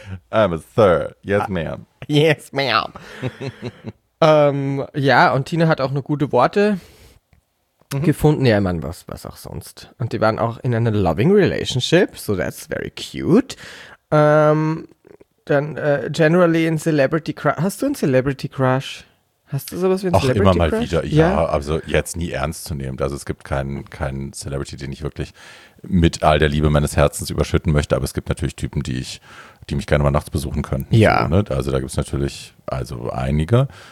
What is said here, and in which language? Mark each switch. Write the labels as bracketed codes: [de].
[en] I'm a Sir. Yes, ma'am. Yes, ma'am. [de] ja, und Tina hat auch noch gute Worte gefunden. Ja, man, was auch sonst. Und die waren auch in einer [en] loving relationship. So that's very cute. [de] Dann generally in Celebrity Crush. Hast du einen Celebrity Crush? Hast du sowas wie ein Celebrity immer mal Crush? Wieder, ja, ja, also jetzt nie ernst zu nehmen. Also es gibt keinen Celebrity, den ich wirklich mit all der Liebe meines Herzens überschütten möchte, aber es gibt natürlich Typen, die mich gerne mal nachts besuchen könnten. Ja. So, ne? Also da gibt es natürlich also einige.